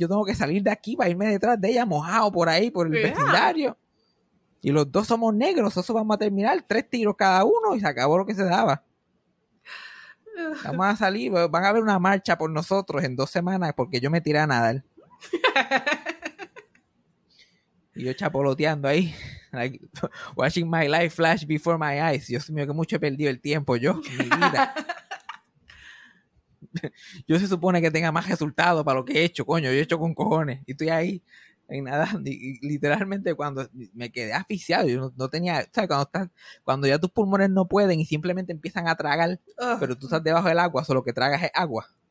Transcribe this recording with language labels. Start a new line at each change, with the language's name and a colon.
Spanish: Yo tengo que salir de aquí para irme detrás de ella mojado por ahí, por el vecindario. Y los dos somos negros. Eso vamos a terminar. 3 tiros cada uno y se acabó lo que se daba. Vamos a salir. Van a haber una marcha por nosotros en 2 semanas porque yo me tiré a nadar. Y yo chapoloteando ahí.
English: Like, watching my life flash before my eyes.
Spanish: Dios mío, que mucho he perdido el tiempo yo. Mi vida. Yo se supone que tenga más resultados para lo que he hecho, coño, yo he hecho con cojones y estoy ahí, en nadando y literalmente cuando me quedé asfixiado, yo no tenía, o sea, cuando ya tus pulmones no pueden y simplemente empiezan a tragar, pero tú estás debajo del agua, solo que tragas es agua.